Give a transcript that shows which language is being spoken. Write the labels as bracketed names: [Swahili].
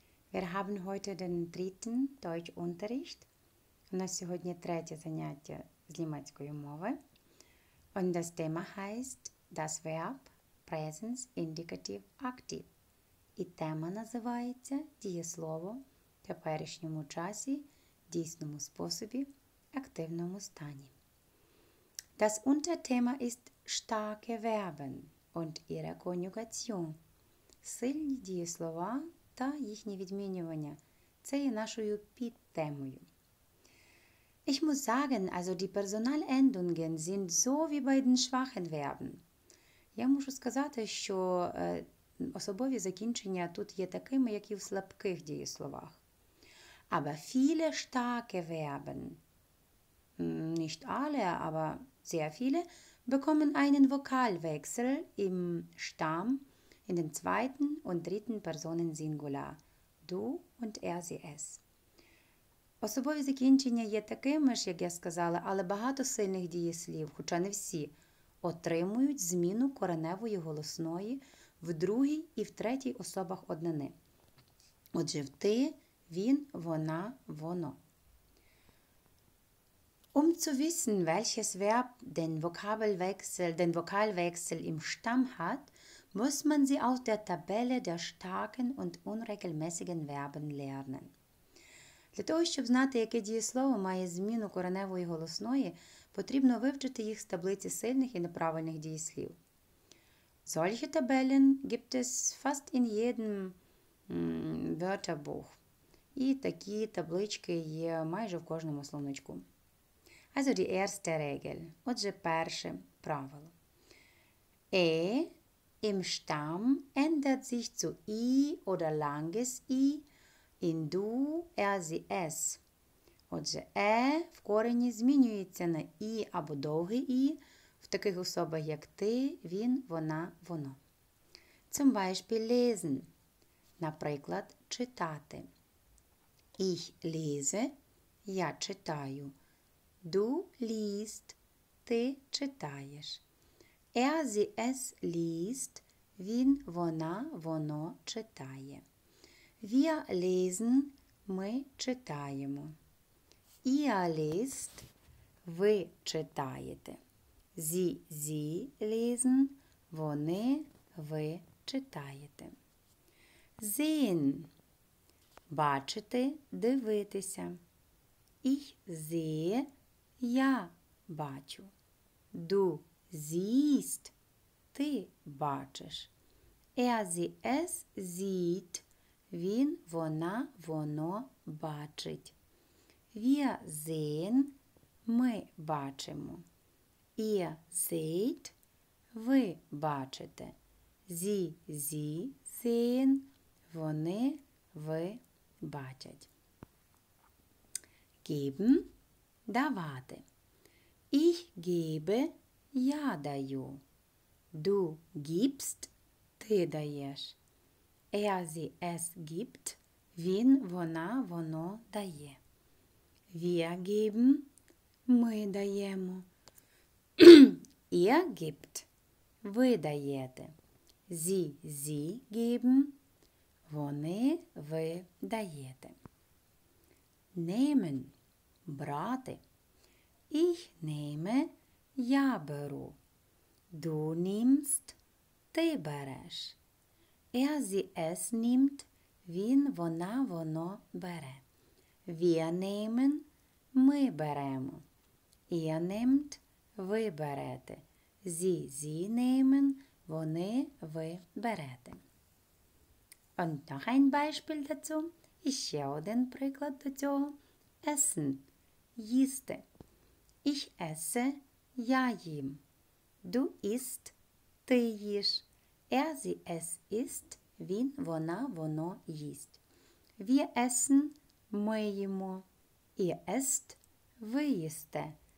[German] Wir haben heute den dritten Deutschunterricht. Und das ist heute das dritte [Ukrainian] Занятие с немецкой мовой. [German] Und das Thema heißt das Verb Präsens, Indikativ, Aktiv. [Ukrainian] И тема называется «Дееслово теперішньому часі, дійсному способі, активному стані». [German] Das Unterthema ist starke Verben und ihre Konjugation. [Ukrainian] Сильні дієслова та їхні відмінювання – це є нашою підтемою. [German] Ich muss sagen, also die Personalendungen sind so wie bei den schwachen Verben. [Ukrainian] Я мушу сказати, що особові закінчення тут є такими, як і в слабких дієсловах. [German] Aber viele starke Verben, nicht alle, aber sehr viele, bekommen einen Vokalwechsel im Stamm in den zweiten und dritten Personen Singular. Du und er, sie, es. [Ukrainian] Особові закінчення є такими ж, як я сказала, але багато сильних дієслів, хоча не всі, отримують зміну кореневої голосної в другій і в третій особах однини. Отже, в ти, він, вона, воно. [German] Um zu wissen, welches Verb den Vokalwechsel im Stamm hat, muss man sie aus der Tabelle der starken und unregelmäßigen Verben lernen. [Ukrainian] Для того, щоб знати, яке дієслово має зміну кореневої голосної, потрібно вивчити їх з таблиці сильних і неправильних дієслів. [German] Solche Tabellen gibt es fast in jedem Wörterbuch. [Ukrainian] І такі таблички є майже в кожному словничку. [German] Also die erste Regel. [Ukrainian] Отже, перше правило. [German] E im Stamm ändert sich zu I oder langes I in du, er, sie, es. [Ukrainian] Отже, E в корені змінюється на I або довге I в таких особах, як ти, він, вона, воно. [German] Zum Beispiel lesen. [Ukrainian] Наприклад, читати. [German] Ich lese, [Ukrainian] я читаю. [German] Du liest, [Ukrainian] ти читаєш. [German] Er, sie, es liest, [Ukrainian] він, вона, воно читає. [German] Wir lesen, [Ukrainian] ми читаємо. [German] Ihr liest, [Ukrainian] ви читаєте. [German] Sie lesen, [Ukrainian] вони, ви читаєте. [German] Sehen, [Ukrainian] бачити, дивитися. [German] Ich sehe, [Ukrainian] я бачу. [German] Du siehst, [Ukrainian] ти бачиш. [German] Er, sie, es sieht, [Ukrainian] він, вона, воно бачить. [German] Wir sehen, [Ukrainian] ми бачимо. [German] Ihr seht, [Ukrainian] ви бачите. [German] Sie sehen, [Ukrainian] вони, ви бачать. [German] Geben, [Ukrainian] давати. [German] Ich gebe, [Ukrainian] я даю. [German] Du gibst, [Ukrainian] ти даєш. [German] Er, sie, es gibt, [Ukrainian] він, вона, воно дає. [German] Wir geben, [Ukrainian] ми даємо. [German] Ihr gibt, [Ukrainian] ви даєте. [German] Sie geben, [Ukrainian] вони, ви даєте. [German] Nehmen, [Ukrainian] брати. [German] Ich nehme, [Ukrainian] я беру. [German] Du nimmst, [Ukrainian] ти береш. [German] Er, sie, es nimmt, [Ukrainian] він, вона, воно бере. [German] Wir nehmen, [Ukrainian] ми беремо. [German] Ihr nehmt, [Ukrainian] ви берете. [German] Sie nehmen, [Ukrainian] вони, ви берете. [German] Und noch ein Beispiel dazu. [Ukrainian] Ще один приклад до цього. [German] Essen, [Ukrainian] їсти. [German] Ich esse, [Ukrainian] я їм. [German] Du isst, [Ukrainian] ти їш. [German] Er, sie, es isst, [Ukrainian] він, вона, воно їсть. [German] Wir essen, [Ukrainian] ми їмо. [German] Ihr esst, [Ukrainian] ви їсте.